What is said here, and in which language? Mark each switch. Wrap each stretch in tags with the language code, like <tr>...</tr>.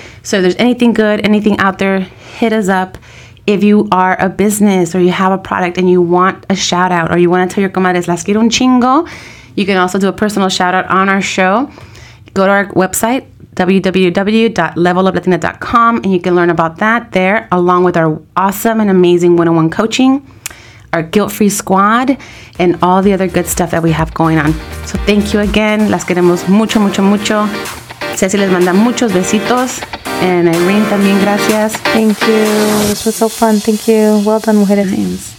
<en>So if there's anything good, anything out there, hit us up. If you are a business or you have a product and you want a shout out, or you want to tell your comadres,</en> <es>las quiero un chingo,</es> <en>you can also do a personal shout out on our show. Go to our website, www.leveluplatina.com, and you can learn about that there, along with our awesome and amazing one-on-one coaching, our guilt-free squad, and all the other good stuff that we have going on. So thank you again.</en> <es>Las queremos mucho, mucho, mucho. Ceci les manda muchos besitos. And Irene también, gracias.</es> <en>Thank you. This was so fun. Thank you. Well done, mujeres.</en>